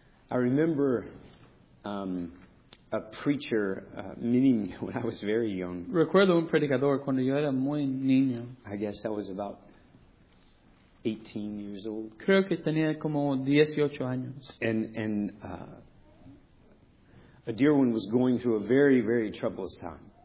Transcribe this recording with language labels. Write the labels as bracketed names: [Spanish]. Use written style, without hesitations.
[English] I remember a preacher, meaning when I was very young. [Spanish] Recuerdo un predicador cuando yo era muy niño. [English] I guess I was about 18 years old. [Spanish] Creo que tenía como 18 años. [English] And a dear one was going through a very, very troublous time.